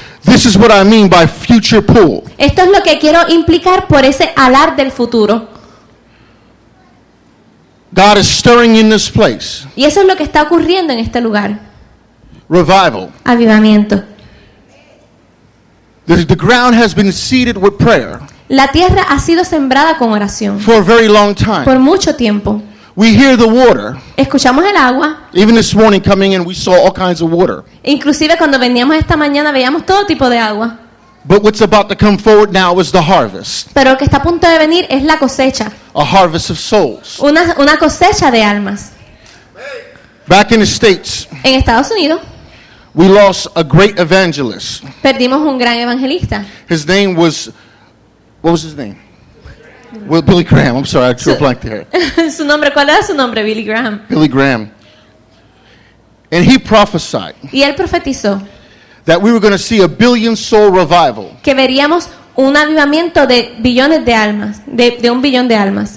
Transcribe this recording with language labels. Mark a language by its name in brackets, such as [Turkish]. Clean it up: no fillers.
[English] This is what I mean by future pull. [Spanish] Esto es lo que quiero implicar por ese alar del futuro. [English] God is stirring in this place. [Spanish] Y eso es lo que está ocurriendo en este lugar. [English] Revival. [Spanish] Avivamiento. [English] The ground has been seeded with prayer. [Spanish] La tierra ha sido sembrada con oración. [English] For a very long time. [Spanish] Por mucho tiempo. [English] We hear the water. [Spanish] Escuchamos el agua. [English] Even this morning coming in, we saw all kinds of water. [Spanish] Inclusive cuando veníamos esta mañana veíamos todo tipo de agua. [English] But what's about to come forward now is the harvest. [Spanish] Pero lo que está a punto de venir es la cosecha. [English] A harvest of souls. [Spanish] Una cosecha de almas. [English] Back in the States. [Spanish] En Estados Unidos. [English] We lost a great evangelist. [Spanish] Perdimos un gran evangelista. [English] His name was, what was his name? Well, Billy Graham. I'm sorry, I drew a blank there. [Spanish] Su nombre, ¿cuál era su nombre? Billy Graham. [English] Billy Graham. And he prophesied. [Spanish] Y él profetizó. [English] That we were going to see a billion soul revival. [Spanish] Que veríamos un avivamiento de billones de almas, de un billón de almas.